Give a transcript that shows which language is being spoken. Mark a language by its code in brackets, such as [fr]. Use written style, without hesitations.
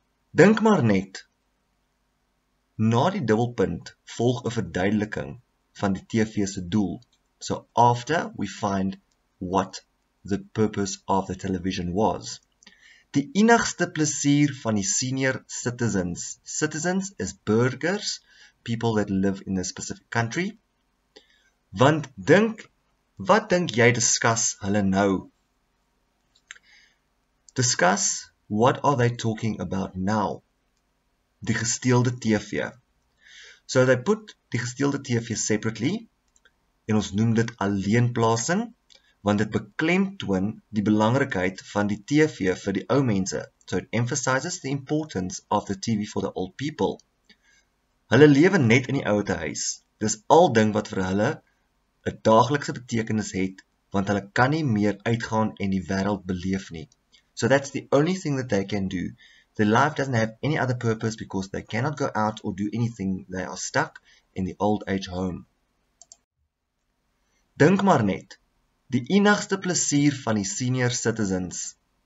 [af] Dink maar net, na die dubbelpunt volg 'n verduideliking van die TV se doel. [en] So after we find what the purpose of the television was. [af] Die enigste plesier van die senior citizens. [en] Citizens is burgers, people that live in a specific country. [af] Want dink, wat dink jy discuss hulle nou? [en] Discuss, what are they talking about now? [af] Die gesteelde TV. [en] So they put [af] die gesteelde TV separately, en ons noem dit alleenplasing, want dit beklemtoon die belangrikheid van die TV vir die ou mense. [en] So it emphasizes the importance of the TV for the old people. [af] Hulle lewe net in die ouete huis. Dis al ding wat vir hulle 'n daaglikse betekenis het, want hulle kan nie meer uitgaan en die wêreld beleef nie. [en] So that's the only thing that they can do. Their life doesn't have any other purpose because they cannot go out or do anything. They are stuck in the old age home. [af] Dink maar net, die enigste plesier van die senior citizens.